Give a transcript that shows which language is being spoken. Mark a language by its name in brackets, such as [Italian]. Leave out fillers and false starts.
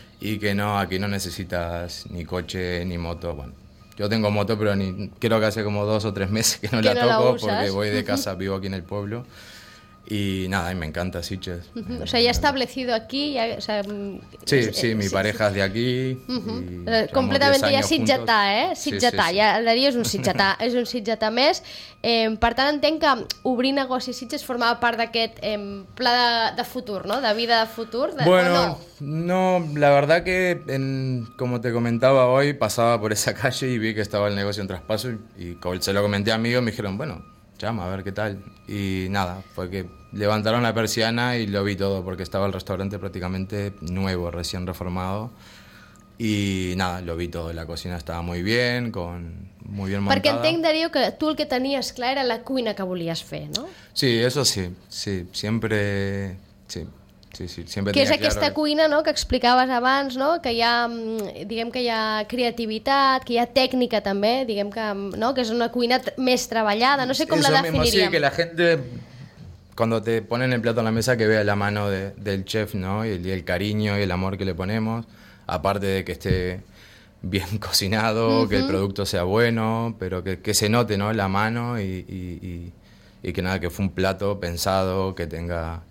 [Spanish] Y que no, aquí no necesitas ni coche ni moto, bueno. Yo tengo moto, pero ni creo que hace como 2 o 3 meses que la toco, no la porque voy de casa, vivo aquí en el pueblo. Y nada, y me encanta Sitges. O sea, ya establecido aquí. Ya, o sea, sí, sí, mi pareja es de aquí. Completamente ya Sitgetà, ¿eh? [Catalan] Sitgetà, sí, sí, sí. Ja, Darío és un Sitgetà, és un Sitgetà més. Per tant, entenc que obrir negoci Sitges formava part d'aquest pla de futur, no? De vida de futur. [Spanish] Bueno, no, la verdad que, como te comentaba hoy, pasaba por esa calle y vi que estaba el negocio en traspaso y se lo comenté a amigos y me dijeron, bueno, llama, a ver qué tal. Y nada, fue que levantaron la persiana y lo vi todo, porque estaba el restaurante prácticamente nuevo, recién reformado. Y nada, lo vi todo. La cocina estaba muy bien, muy bien montada. [Catalan] Perquè entenc, Darío, que tu el que tenies clar era la cuina que volies fer, no? [Spanish] Sí, eso sí. Sí, siempre... Sí. Sí, sí, sempre [Catalan] que és aquesta cuina, no?, que explicaves abans, no?, que hi ha, diguem que hi ha creativitat, que hi ha tècnica també, diguem que, no?, que és una cuina més treballada, no sé com [Spanish] eso [Catalan] la definiríem. [Spanish] Mismo, sí, que la gente, cuando te ponen el plato en la mesa, que vea la mano del chef, no?, y el cariño y el amor que le ponemos, aparte de que esté bien cocinado, que el producto sea bueno, pero que se note, no?, la mano y que nada, que fue un plato pensado, que tenga...